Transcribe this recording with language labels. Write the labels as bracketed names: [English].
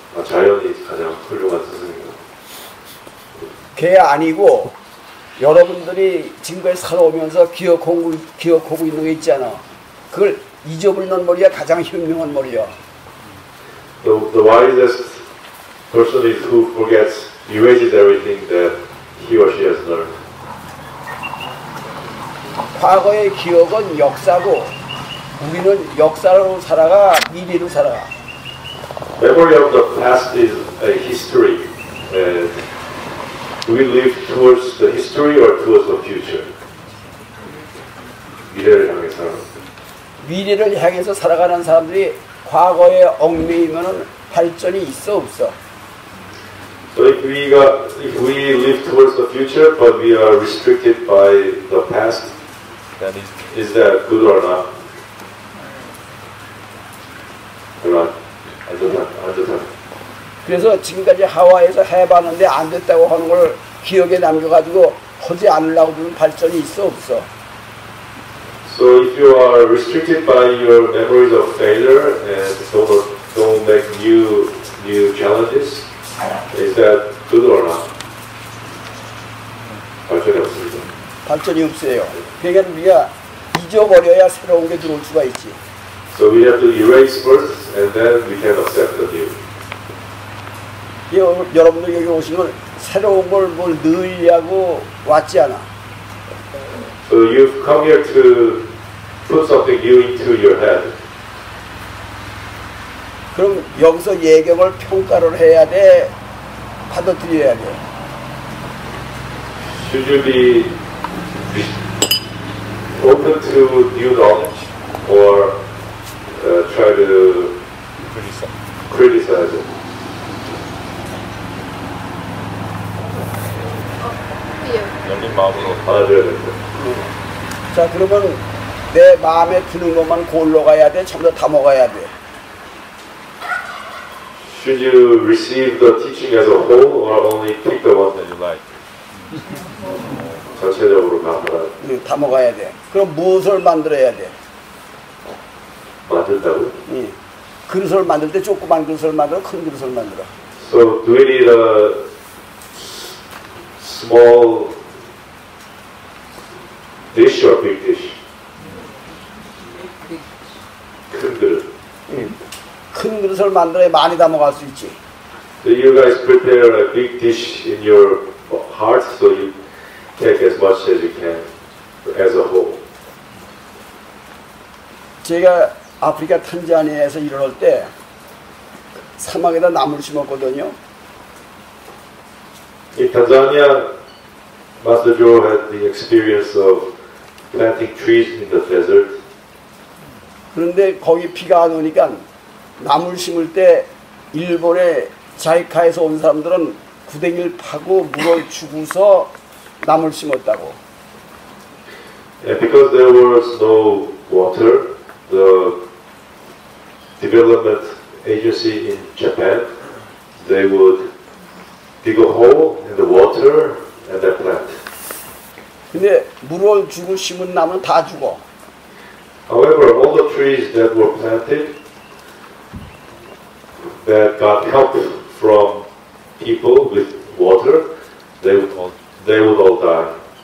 [Korean] 자연이 가장 훌륭한 선생님이야. 걔 아니고 여러분들이 지금까지 살아오면서 기억하고 있는 게 있잖아. 그걸 이 점을 넣은 머리가 가장 현명한 머리야. [English] The wisest person is who forgets, erases everything that he or she has learned. [Korean] 과거의 기억은 역사고 우리는 역사로 살아가 미래로 살아가. [English] Memory of the past is a history. Do we live towards the history or towards the future? [Korean] 미래를 향해서. 미래를 향해서 살아가는 사람들이 과거에 얽매이면 발전이 있어 없어. [English] So if we live towards the future, but we are restricted by the past, is that good or not? I don't know. [Korean] 그래서 지금까지 하와이에서 해봤는데 안 됐다고 하는 걸 기억에 남겨가지고 하지 않으려고 하면 발전이 있어 없어. [English] So if you are restricted by your memories of failure and don't make new challenges, is that good or not? [Korean] 발전이 없습니다. 발전이 없어요. 그러니까 우리가 잊어버려야 새로운 게 들어올 수가 있지. [English] So we have to erase first and then we can accept the new. [Korean] 여러분들 여기 오시면 새로운 걸 뭘 넣으려고 왔지 않아. [English] So you've come here to put something new into your head. [Korean] 그럼 여기서 예경을 평가를 해야 돼, 받아들여야 돼. [English] Should you be open to new knowledge or try to criticize it? [Korean] 열린 마음으로 받아들여야 된다. 자, 그러면 내 마음에 드는 것만 골라가야 돼, 전부 다 먹어야 돼. [English] Should you receive the teaching as a whole or only pick the one that you like? [Korean] 전체적으로 다 먹어야 돼. 응, 다 먹어야 돼. 그럼 무엇을 만들어야 돼? 만든다고? 응. 그릇을 만들 때 조그만 그릇을 만들어, 큰 그릇을 만들어. [English] So do we need a small dish or big dish? [Korean] 큰 그릇. 응. 큰 그릇을 만들어야 많이 다 먹을 수 있지. [English] Do you guys prepare a big dish in your heart so you take as much as you can as a whole? [Korean] 제가 아프리카 탄자니아에서 일어날 때 사막에다 나무를 심었거든요. [English] In Tanzania, Master Joe had the experience of planting trees in the desert. [Korean] 그런데 거기 비가 안 오니까 나무를 심을 때 일본에 자이카에서 온 사람들은 구덩이를 파고 물을 주고서 나무를 심었다고. [English] Yeah, because there was no water, the development agency in Japan, they would dig a hole in the water and then plant. [Korean] 근데 물을 주고 심은 나무는 다 죽어. [English] However, all the trees that were planted that got help from people with water, they would all die.